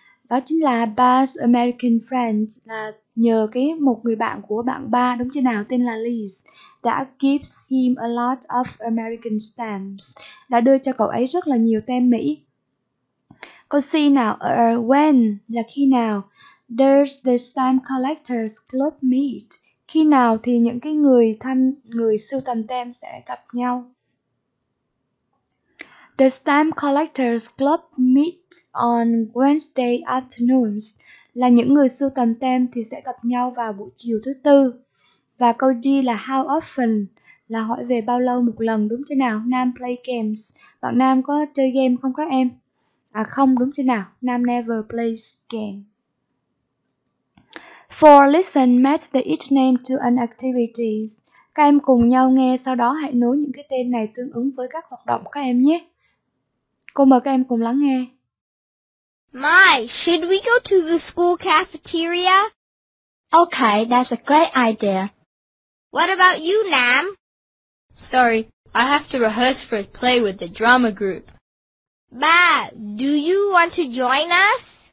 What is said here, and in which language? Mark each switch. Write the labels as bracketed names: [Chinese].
[Vietnamese] Đó chính là [English] Ba's American friend, [Vietnamese] là nhờ cái một người bạn của bạn ba đúng chưa nào, tên là Liz, đã [English] gives him a lot of American stamps, [Vietnamese] đã đưa cho cậu ấy rất là nhiều tem Mỹ. Câu C nào, [English] when [Vietnamese] là khi nào? [English] Does the stamp collectors club meet? [Vietnamese] Khi nào thì những cái người thăm người sưu tầm tem sẽ gặp nhau? [English] The stamp collectors club meets on Wednesday afternoons. [Vietnamese] Là những người sưu tầm tem thì sẽ gặp nhau vào buổi chiều thứ tư. Và câu D là [English] how often, [Vietnamese] là hỏi về bao lâu một lần đúng chưa nào? [English] Nam play games. [Vietnamese] Bạn Nam có chơi game không các em? À không, đúng chưa nào? [English] Nam never plays game. For listen, match the each name to an activities. [Vietnamese] Các em cùng nhau nghe, sau đó hãy nối những cái tên này tương ứng với các hoạt động các em nhé. Cô mời các em cùng lắng nghe. [English] My, should we go to the school cafeteria? Okay, that's a great idea. What about you, Nam? Sorry, I have to rehearse for a play with the drama group. Ba, do you want to join us?